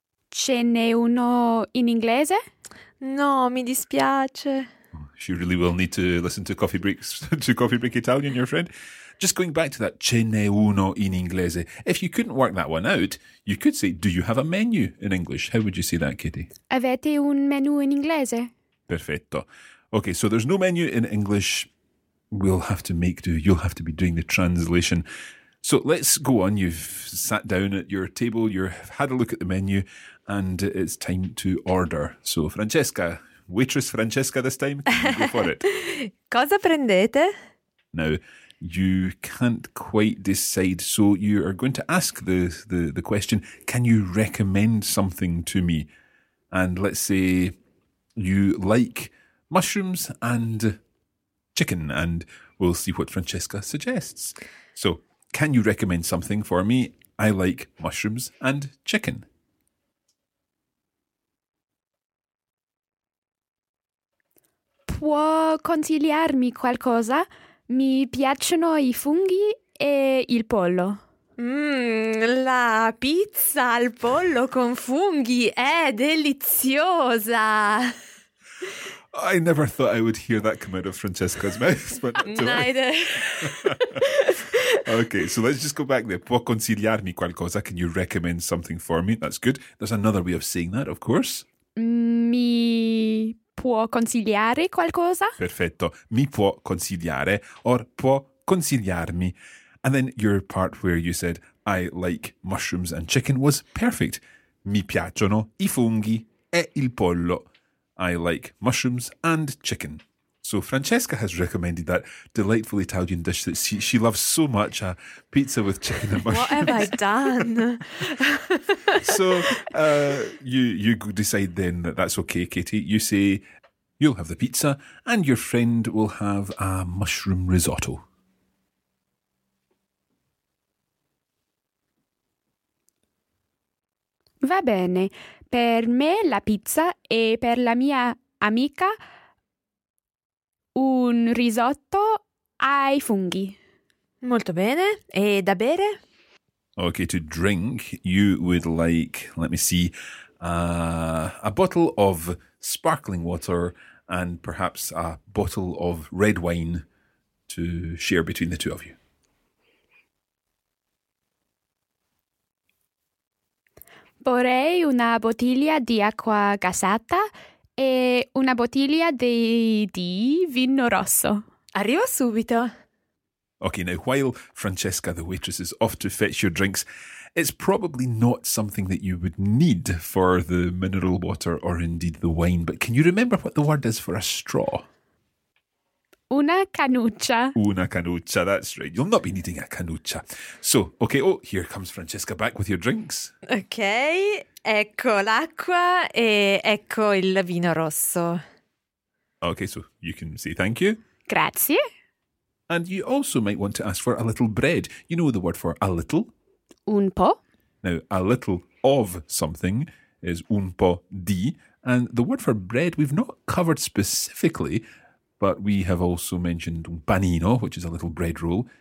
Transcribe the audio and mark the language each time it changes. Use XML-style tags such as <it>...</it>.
<it>Ce n'è uno in inglese? No, mi dispiace.</it> <en>She really will need to listen to Coffee Breaks, to Coffee Break Italian, your friend. Just going back to that</en> <it>ce n'è uno in inglese.</it> <en>If you couldn't work that one out, you could say, do you have a menu in English? How would you say that, Kitty?</en> <it>Avete un menu in inglese? Perfetto.</it> <en>Okay, so there's no menu in English. We'll have to make do. You'll have to be doing the translation. So let's go on. You've sat down at your table. You've had a look at the menu and it's time to order. So Francesca, waitress Francesca this time, go for it.</en> <it>Cosa prendete?</it> <en>Now, you can't quite decide. So you are going to ask the question, can you recommend something to me? And let's say you like mushrooms and chicken, and we'll see what Francesca suggests. So, can you recommend something for me? I like mushrooms and chicken.</en> <it>Può consigliarmi qualcosa? Mi piacciono i funghi e il pollo. La pizza al pollo con funghi è deliziosa!</it> <en>I never thought I would hear that come out of Francesca's mouth. But neither. Okay, so let's just go back there.</en> <it>Può consigliarmi qualcosa?</it> <en>Can you recommend something for me? That's good. There's another way of saying that, of course.</en> <it>Mi può consigliare qualcosa? Perfetto. Mi può consigliare or può consigliarmi.</it> <en>And then your part where you said I like mushrooms and chicken was perfect.</en> <it>Mi piacciono i funghi e il pollo.</it> <en>I like mushrooms and chicken. So Francesca has recommended that delightful Italian dish that she loves so much, a pizza with chicken and mushrooms. What have I done? So you decide then that that's okay, Katie. You say you'll have the pizza and your friend will have a mushroom risotto.</en> <it>Va bene. Per me la pizza e per la mia amica un risotto ai funghi. Molto bene. E da bere?</it> <en>Okay, to drink, you would like, let me see, a bottle of sparkling water and perhaps a bottle of red wine to share between the two of you.</en> <it>Vorrei una bottiglia di acqua gassata e una bottiglia di vino rosso. Arrivo subito.</it> <en>Okay, now while Francesca, the waitress, is off to fetch your drinks, it's probably not something that you would need for the mineral water or indeed the wine, but can you remember what the word is for a straw?</en> <it>Una canuccia. Una canuccia,</it> <en>that's right. You'll not be needing a canuccia. So, okay, oh, here comes Francesca back with your drinks.</en> <it>Okay, ecco l'acqua e ecco il vino rosso.</it> <en>Okay, so you can say thank you.</en> <it>Grazie.</it> <en>And you also might want to ask for a little bread. You know the word for a little?</en> <it>Un po'.</it> <en>Now, a little of something is</en> <it>un po' di.</it> <en>And the word for bread we've not covered specifically, but we have also mentioned un panino, which is a little bread roll.</en>